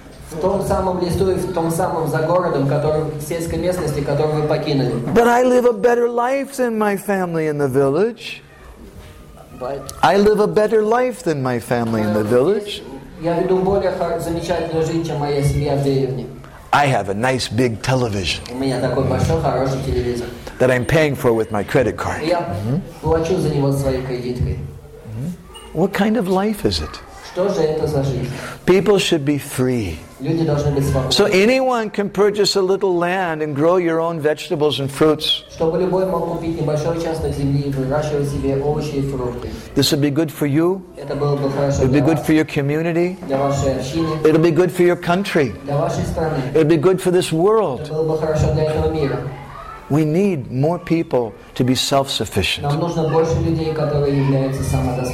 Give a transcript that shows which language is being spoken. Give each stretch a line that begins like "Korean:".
Russian: в том самом лесу и в том самом за городом, который, в сельской местности, которую вы покинули.
English: But I live a better life than my family in the village. I live a better life than my family in the village.
Russian: Я веду более замечательную жизнь, чем моя семья в деревне.
English: I have a nice big television.
Russian: У меня такой большой хороший телевизор.
English: That I'm paying for with my credit card.
Russian: Я плачу за него своей кредиткой.
English: What kind of life is it?
Russian: Что же это за жизнь?
English: People should be free.
Russian: Люди должны быть свободны.
English: So anyone can purchase a little land and grow your own vegetables and fruits.
Russian: Чтобы любой мог купить небольшой участок земли и выращивать себе овощи и фрукты.
English: This would be good for you.
Russian: Это было бы хорошо.
English: It'd be good for your community.
Russian: Для вашей общины.
English: It'll be good for your country.
Russian: Для вашей страны.
English: It'll be good for this world.
Russian: Это было бы хорошо для этого мира.
English: We need more people to be self-sufficient.
Russian: Нам нужно больше людей, которые являются самодостаточными.